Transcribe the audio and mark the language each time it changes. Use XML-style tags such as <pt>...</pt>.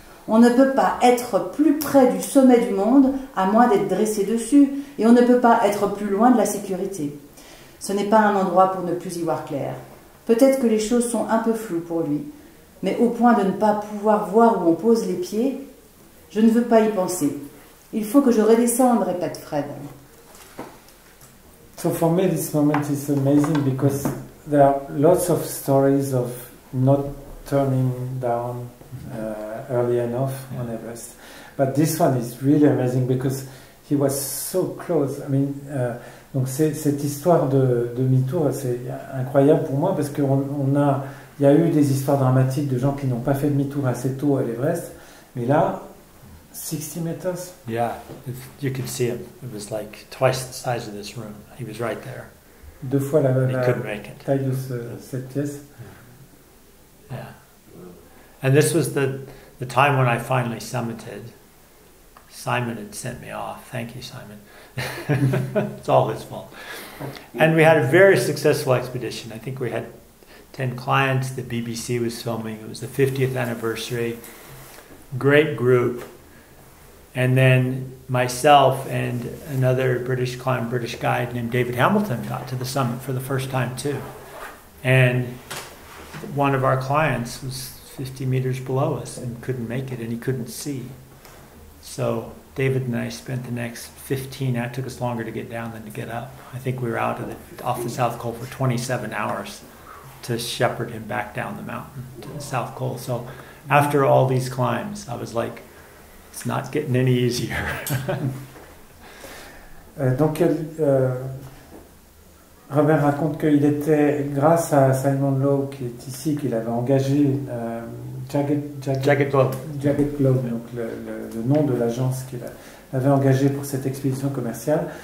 <fr>On ne peut pas être plus près du sommet du monde à moins d'être dressé dessus, et on ne peut pas être plus loin de la sécurité. Ce n'est pas un endroit pour ne plus y voir clair. Peut-être que les choses sont un peu floues pour lui, mais au point de ne pas pouvoir voir où on pose les pieds, je ne veux pas y penser. Il faut que je redescende, répète Fred.</fr> <en>So for me, this moment is amazing because there are lots of stories of not turning down early enough on Everest. But this one is really amazing because he was so close. I mean,</en> <fr>donc cette histoire de demi-tour, c'est incroyable pour moi parce qu'on a, il y a eu des histoires dramatiques de gens qui n'ont pas fait demi-tour assez tôt à l'Everest, mais là.</fr> <en>60 meters? Yeah, if you could see him. It was like twice the size of this room. He was right there.</en> <fr>Deux fois la même taille de cette pièce.</fr> <en>Yeah. And this was the time when I finally summited. Simon had sent me off. Thank you, Simon. It's all his fault. And we had a very successful expedition. I think we had 10 clients. The BBC was filming. It was the 50th anniversary. Great group. And then myself and another British climber, British guide named David Hamilton got to the summit for the first time too. And one of our clients was 50 meters below us and couldn't make it and he couldn't see. So David and I spent the next 15, that took us longer to get down than to get up. I think we were out of off the South Col for 27 hours to shepherd him back down the mountain to the South Col. So after all these climbs, I was like, it's not getting any easier.</en> <fr>Donc, Robert raconte qu'il était, grâce à Simon Lowe, qui est ici, qu'il avait engagé Jagged Globe, donc le nom de l'agence qu'il avait engagé pour cette expédition commerciale.</fr>